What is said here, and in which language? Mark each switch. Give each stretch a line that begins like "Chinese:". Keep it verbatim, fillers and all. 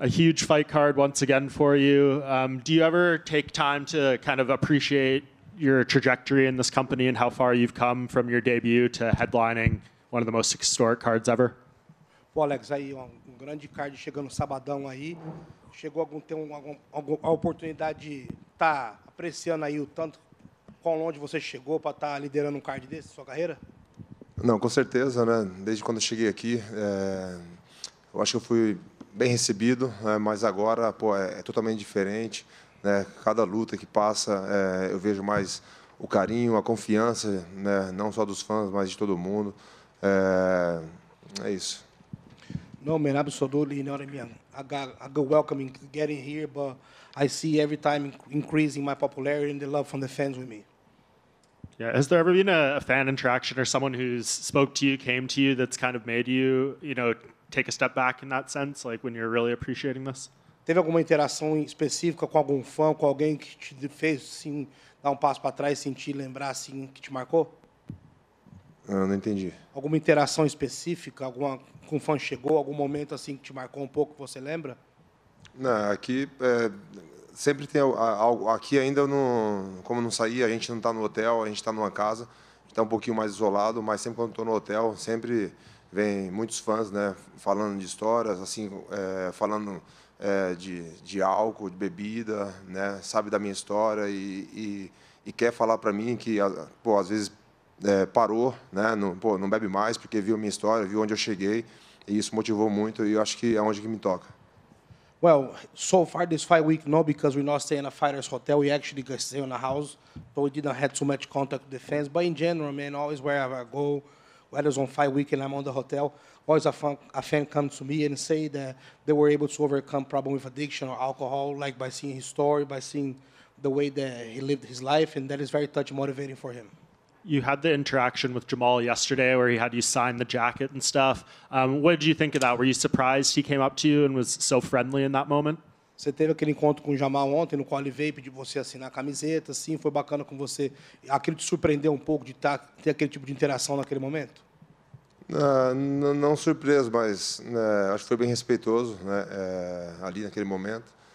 English: A huge fight card once again for you. Um, do you ever take time to kind of appreciate your trajectory in this company and how far you've come from your debut to headlining one of the most historic cards ever?
Portuguese: Pô, Alex, aí um grande card chegando sabadão aí. Chegou a ter um, algum, a oportunidade de estar tá apreciando aí o tanto, quão longe você chegou para estar tá liderando um card desse, sua carreira? Não, com certeza, né? Desde quando eu cheguei aqui, é... eu acho que eu fui bem recebido, né? Mas agora pô, é, é totalmente diferente, né? Cada luta que passa, é, eu vejo mais o carinho, a confiança, né? Não só dos fãs, mas de todo mundo. É, é isso.
English: No, man, absolutely. You know what I mean? I got a good welcome in getting here, but I see every time increasing my popularity and the love from the fans with me. Yeah. Has there ever been a, a fan interaction or someone who's spoke to you, came to you, that's kind of made you, you know, take a step back in that sense, like when you're really appreciating this?
Portuguese: Teve alguma interação específica com algum fã, com alguém que te fez assim, dar um passo para trás, sentir, lembrar assim, que te marcou? Eu não entendi. Alguma interação específica, alguma com um fã chegou, algum momento assim que te marcou um pouco, você lembra? Não, aqui é, sempre tem algo. Aqui ainda não, como não saí, a gente não está no hotel, a gente está numa casa, está um pouquinho mais isolado, mas sempre quando estou no hotel, sempre vem muitos fãs, né, falando de histórias, assim, é, falando é, de, de álcool, de bebida, né, sabe da minha história e, e, e quer falar para mim que, pô, às vezes é, parou, né, não, pô, não bebe mais porque viu a minha história, viu onde eu cheguei e isso motivou muito e eu acho que é onde que me toca.
English: Well, so far this fight week, no, because we're not staying in a fighter's hotel. We actually stay in a house, so we didn't have too much contact with the fans. But in general, man, always wherever I go, whether it's on fight week and I'm on the hotel, always a fan, a fan comes to me and say that they were able to overcome problem with addiction or alcohol, like by seeing his story, by seeing the way that he lived his life, and that is very touch motivating for him. You had the interaction with Jamal yesterday where he had you sign the jacket and stuff. Um, what did you think of that? Were you surprised he came up to you and was so friendly in that moment?
Portuguese: Você teve aquele encontro com o Jamal ontem, no qual ele veio pedir você assinar a camiseta, sim, foi bacana com você. Aquilo te surpreendeu um pouco de ter aquele tipo de interação naquele momento? Não, não, não surpreso, mas né, acho que foi bem respeitoso, né, é, ali naquele momento.